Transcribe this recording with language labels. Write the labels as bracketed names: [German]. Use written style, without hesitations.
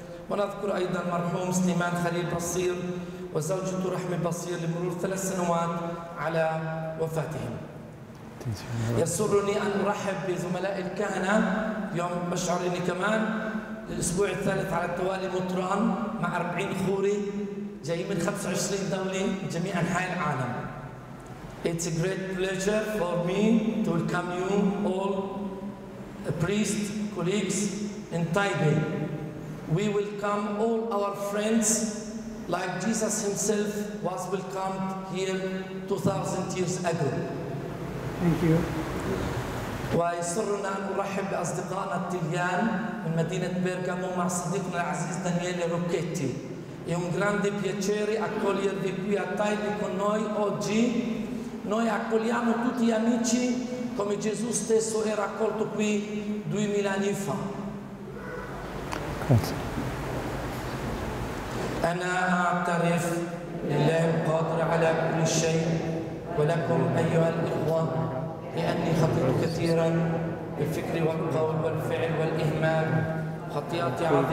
[Arabic] ونذكر ايضا المرحوم سليمان خليل بصير وزوجته رحمة بصير لمرور 3 سنوات على وفاتهم. يسرني أن أرحب بزملاء الكهنة يوم بشعر إني كمان الأسبوع الثالث على التوالي مطران مع 40 خوري جايين من 25 دولة جميع أنحاء العالم. [English] It's a great pleasure for me to welcome you all priests, colleagues in Taipei. We welcome all our friends like Jesus himself was welcomed here 2000 years ago. Thank you. [Arabic] ويسرنا أن نرحب بأصدقائنا التليان من مدينة بيرغامو مع صديقنا العزيز دانييلي روكيتي. [Italian] È un grande piacere accogliervi qui a Taipei con noi oggi. Noi accogliamo tutti gli amici come Gesù stesso era accolto qui 2000 anni fa. Grazie. [Arabic] أنا أعترف لله القادر على كل شيء ولكم أيها الإخوة لأني خطئت كثيرا بالفكر والقول والفعل والإهمال خطيئتي